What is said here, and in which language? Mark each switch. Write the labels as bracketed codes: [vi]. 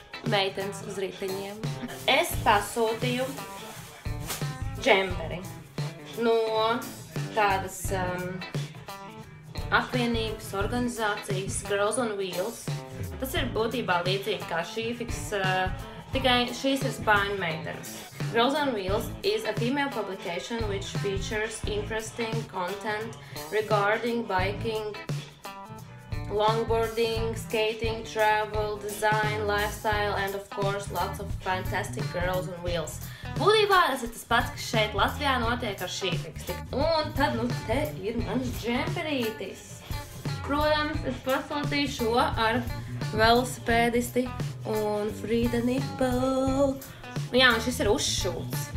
[lv] Meitenes uz ritiņiem. Es pasūtīju džemperi no tādas apvienības organizācijas Girls on Wheels. Tas ir būtībā līdzīgi kā Šifix, tikai šīs ir spāņu meitenes. [en] Girls on Wheels is a female publication which features interesting content regarding biking, longboarding, skating, travel, design, lifestyle, and of course, lots of fantastic girls on wheels. [lv] Būtībā tas ir tas pats, kas šeit Latvijā notiek ar Šifix. Un tad nu te ir mans džemperītis. Protams, es pasūtīju šo ar velosipēdisti un Frida Nipple. Nu jā, un šis ir uzšūts.